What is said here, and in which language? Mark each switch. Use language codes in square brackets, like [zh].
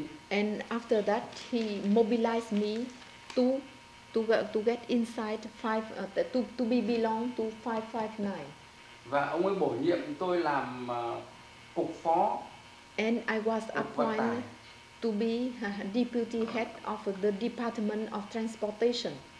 [en] And after that, he mobilized me to get inside to belong to 559. [vi] Và ông ấy bổ nhiệm tôi làm cục phó. [en] And I was appointed to be deputy head of the Department of Transportation,